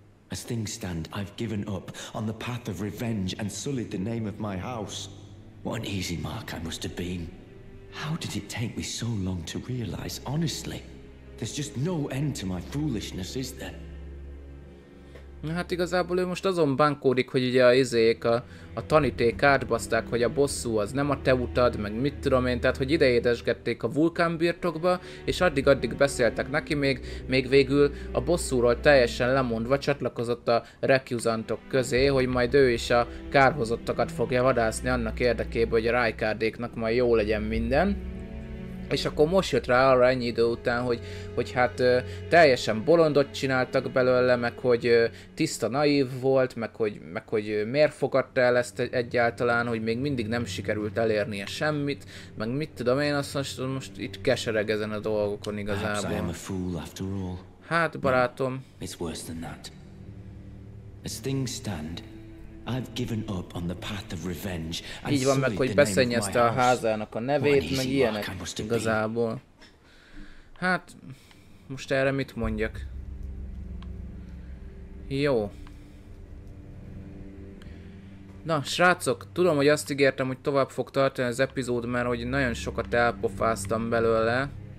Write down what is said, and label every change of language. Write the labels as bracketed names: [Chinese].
[English] As things stand, I've given up on the path of revenge and sullied the name of my house. What an easy mark I must have been. How did it take me so long to realize, honestly? There's just no end to my foolishness, is there? [Hungarian] Hát igazából ő most azon bánkódik, hogy ugye a taníték átbaszták, hogy a bosszú az nem a te utad, meg mit tudom én, tehát hogy ideédesgették a vulkán birtokba, és addig-addig beszéltek neki, még végül a bosszúról teljesen lemondva csatlakozott a recusantok közé, hogy majd ő is a kárhozottakat fogja vadászni annak érdekében, hogy a Rykardéknak majd jó legyen minden. És akkor most jött rá arra ennyi idő után, hogy hát teljesen bolondot csináltak belőle, meg hogy tiszta naív volt, meg hogy miért fogadta el ezt egyáltalán, hogy még mindig nem sikerült elérnie semmit, meg mit tudom én, azt mondom, most itt kesereg ezen a dolgokon igazából. Hát barátom. [English] It's worse than that. As things stand, I've given up on the path of revenge. [Hungarian] Így van meg, hogy beszennyezte a házának a nevét, meg ilyenek igazából. Hát, most erre mit mondjak? Jó. Na, srácok, tudom, hogy azt ígértem, hogy tovább fog tartani az epizód, mert hogy nagyon sokat elpofáztam belőle.